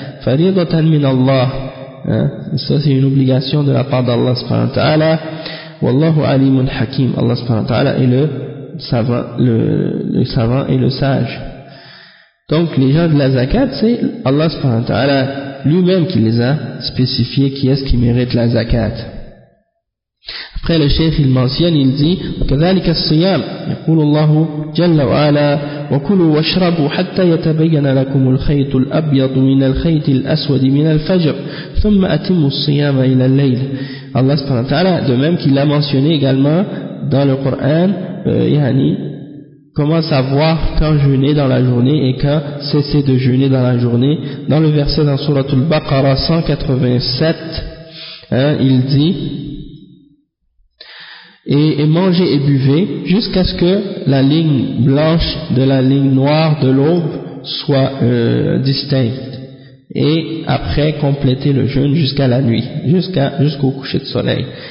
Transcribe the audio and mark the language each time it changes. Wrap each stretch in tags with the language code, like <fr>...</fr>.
<ar>Faridatan min Allah.</ar> <fr>Hein? Ça c'est une obligation de la part d'Allah subhanahu wa ta'ala.</fr> <ar>Wallahu alimun hakim.</ar> <fr>Allah subhanahu wa ta'ala est le savant, le savant et le sage. Donc les gens de la zakat, c'est Allah subhanahu wa ta'ala lui-même qui les a spécifiés qui est-ce qui mérite la zakat. Après le cheikh il mentionne, il dit</fr> <ar>كذلك الصيام يقول الله جل وعلا وكلوا واشربوا حتى يتبين لكم الخيط الابيض من الخيط الاسود من الفجر ثم اتموا الصيام الى الليل.</ar> <fr>Allah subhanahu wa ta'ala, de même qu'il a mentionné également dans le Coran, yani, comment savoir quand jeûner dans la journée et quand cesser de jeûner dans la journée. Dans le verset dans sourate al-Baqara 187, hein, il dit et mangez et buvez jusqu'à ce que la ligne blanche de la ligne noire de l'aube soit distincte, et après complétez le jeûne jusqu'à la nuit, jusqu'au coucher de soleil.</fr>